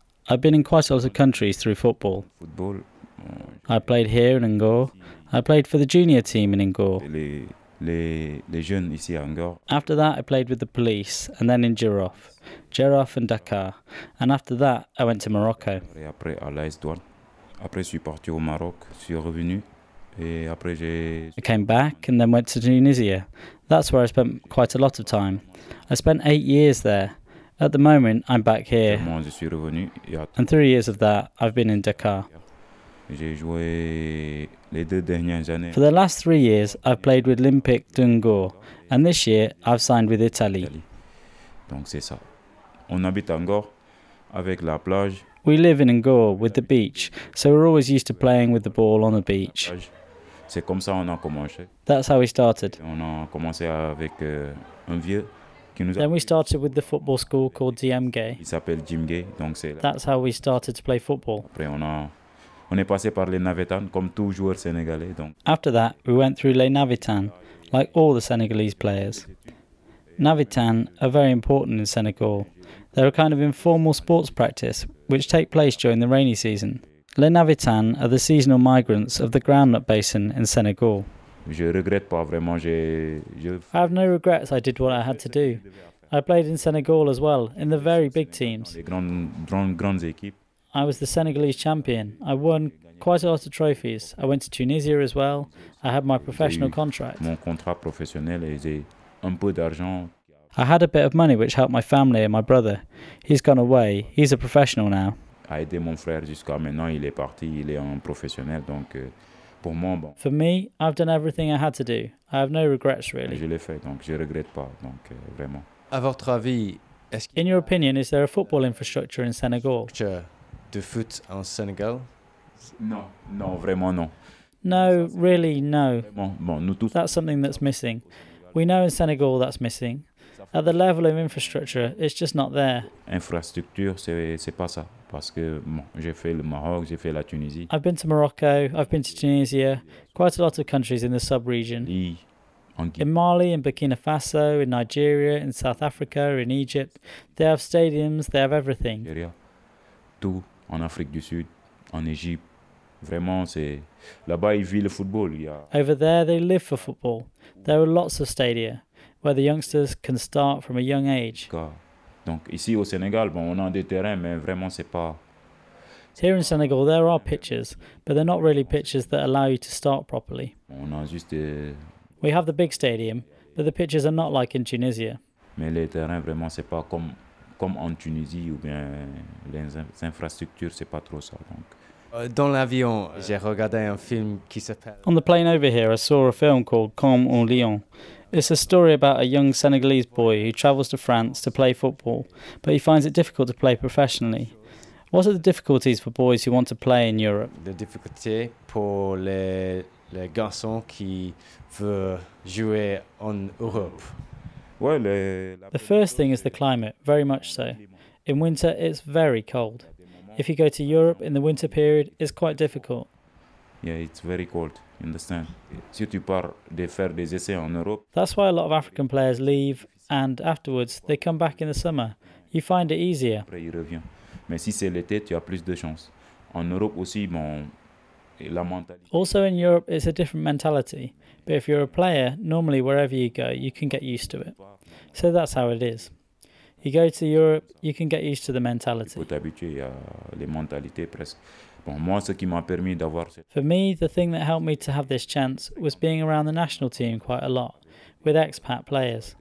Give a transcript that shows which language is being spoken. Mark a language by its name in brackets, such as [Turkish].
[English] I've been in quite a lot of countries through football. Football. I played here in Angor. I played for the junior team in Angor. [French] Les jeunes ici à Angor. [English] After that, I played with the police and then in Girof. Girof and Dakar, and after that I went to Morocco. [French] Et après à l'AS Douarn. Après je suis parti au Maroc, suis revenu et après j'ai. [English] I came back and then went to Tunisia. That's where I spent quite a lot of time. I spent 8 years there. At the moment I'm back here. [French] Moi je suis revenu. [English] And 3 years of that I've been in Dakar. [French] J'ai joué les deux dernières années. [English] For the last 3 years I've played with Olympique d'Angor, and this year I've signed with Italy. [French] Donc c'est ça. On habite Angor avec la plage. [English] We live in Angor with the beach, so we're always used to playing with the ball on the beach. [French] C'est comme ça on a commencé. [English] That's how we started. [French] On a commencé avec un vieux qui nous a. [English] Then we started with the football school called DM Gay. [French] Il s'appelle Jim Gay, donc c'est. [English] That's how we started to play football. [French] Après on est passé par les Navitan comme tout joueur sénégalais donc. [English] After that, we went through les Navitan, like all the Senegalese players. Navitan are very important in Senegal. They're a kind of informal sports practice which take place during the rainy season. Les Navitan are the seasonal migrants of the groundnut basin in Senegal. [French] Je regrette pas vraiment. Je... [English] I have no regrets. I did what I had to do. I played in Senegal as well, in the very big teams. I was the Senegalese champion. I won quite a lot of trophies. I went to Tunisia as well. I had my professional contract. [French] Mon contrat professionnel et j'ai un peu d'argent. [English] I had a bit of money which helped my family and my brother. He's gone away. He's a professional now. [French] A aidé mon frère jusqu'à maintenant. Il est parti. Il est un professionnel. Donc pour moi, bon. [English] For me, I've done everything I had to do. I have no regrets really. [French] Je l'ai fait, donc je regrette pas, donc vraiment. À votre avis, est-ce [English] qu'il y a... In your opinion, is there a football infrastructure in Senegal? [French] De foot en Senegal? Non, non, vraiment non. [English] No, really, no. [French] Bon, nous tous. [English] That's something that's missing. We know in Senegal that's missing. At the level of infrastructure, it's just not there. [French] Infrastructure, c'est pas ça. Parce que bon, j'ai fait le Maroc, j'ai fait la Tunisie. [English] I've been to Morocco, I've been to Tunisia, quite a lot of countries in the sub-region. In Mali, in Burkina Faso, in Nigeria, in South Africa, in Egypt. They have stadiums, they have everything. [French] Tout, en Afrique du Sud, en Égypte. Vraiment, c'est... Là-bas, ils vivent le football. [English] Over there, they live for football. There are lots of stadia where the youngsters can start from a young age. [French] Donc ici au Sénégal, bon, on a des terrains, mais vraiment c'est pas. [English] Here in Senegal, there are pitches, but they're not really pitches that allow you to start properly. [French] On a juste. [English] We have the big stadium, but the pitches are not like in Tunisia. [French] Mais les terrains vraiment c'est pas comme en Tunisie ou bien les infrastructures c'est pas trop ça donc. Dans l'avion, j'ai regardé un film qui s'appelle. [English] On the plane over here, I saw a film called Comme un Lion. It's a story about a young Senegalese boy who travels to France to play football, but he finds it difficult to play professionally. What are the difficulties for boys who want to play in Europe? [French] Les difficultés pour les garçons qui veulent jouer en Europe. Ouais, les... [English] The first thing is the climate, very much so. In winter, it's very cold. If you go to Europe in the winter period, it's quite difficult. Yeah, it's very cold. You understand? [French] Si tu pars de faire des essais en Europe. [English] That's why a lot of African players leave, and afterwards they come back in the summer. You find it easier. [French] Après, il revient. Mais si c'est l'été, tu as plus de chance. En Europe aussi, bon, [English] Also in Europe, it's a different mentality. But if you're a player, normally wherever you go, you can get used to it. So that's how it is. You go to Europe, you can get used to the mentality. For me, the thing that helped me to have this chance was being around the national team quite a lot, with expat players.